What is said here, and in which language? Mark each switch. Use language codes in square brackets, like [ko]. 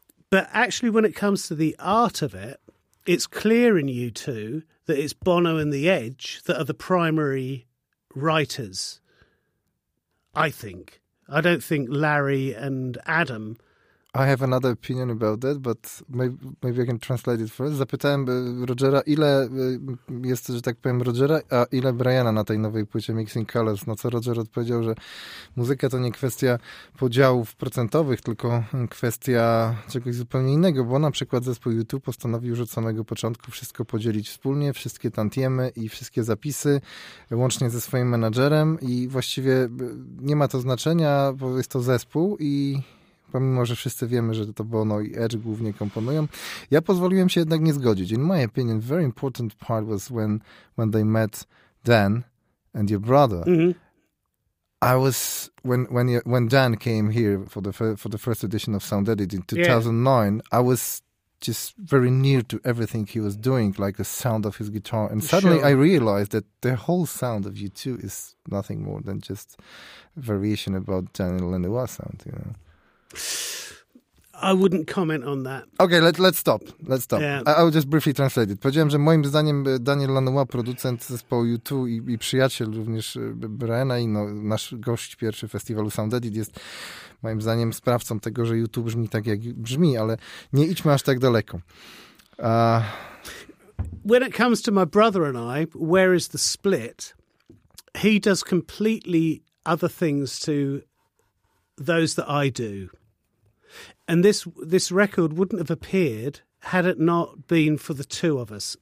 [en] But actually, when it comes to the art of it, it's clear in U2 that it's Bono and The Edge that are the primary writers, I think. I don't think Larry and Adam... I have another opinion about that, but maybe I can translate it first. [pl] Zapytałem Rogera, ile jest, że tak powiem, Rogera, a ile Briana na tej nowej płycie Mixing Colors. No co Roger odpowiedział, że muzyka to nie kwestia podziałów procentowych, tylko kwestia czegoś zupełnie innego, bo na przykład zespół U2 postanowił już od samego początku wszystko podzielić wspólnie, wszystkie tantiemy i wszystkie zapisy, łącznie ze swoim menadżerem i właściwie nie ma to znaczenia, bo jest to zespół i... Pomimo, że wszyscy wiemy, że to Bono i Edge głównie komponują. Ja pozwoliłem się jednak nie zgodzić. [en] In my opinion, very important part was when they met Dan and your brother. Mm-hmm. I was when Dan came here for the first edition of Sound Edit in 2009, yeah. I was just very near to everything he was doing, like the sound of his guitar. And suddenly sure. I realized that the whole sound of U2 is nothing more than just variation about Dan and Lenoir sound, you know. I wouldn't comment on that. Okay, let's stop. Yeah. I'll just briefly translate it. [pl] Powiedziałem, że moim zdaniem Daniel Lanois, producent zespołu U2 i przyjaciel również Briana i no, nasz gość pierwszy festiwalu Sound Edit jest moim zdaniem sprawcą tego, że U2 brzmi tak, jak brzmi, ale nie idźmy aż tak daleko. [en] When it comes to my brother and I, where is the split? He does completely other things to those that I do. And this record wouldn't have appeared had it not been for the two of us.